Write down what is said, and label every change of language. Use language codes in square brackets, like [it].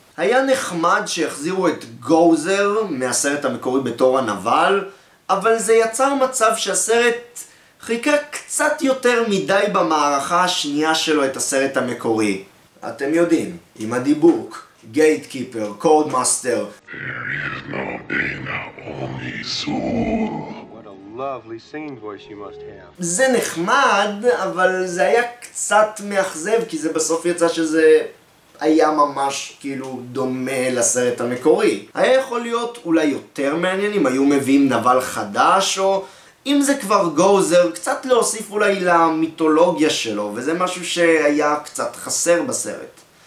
[he] היה נחמד שהחזירו את גוזר מהסרט המקורי בתור הנבל, אבל זה יצר מצב שהסרט חיכה קצת יותר מדי במערכה השנייה שלו את הסרט המקורי. אתם יודעים, עם הדיבוק, גייטקיפר, קודמאסטר. [en] There is no Dana, only Zool. What a lovely singing voice you must have. [he] זה נחמד, אבל זה היה קצת מאכזב, כי זה בסוף יצא שזה היה ממש כאילו דומה לסרט המקורי. היה יכול להיות אולי יותר מעניין אם היו מביאים נבל חדש או... אם זה כבר גוזר, קצת להוסיף אולי למיתולוגיה שלו, וזה משהו שהיה קצת חסר בסרט.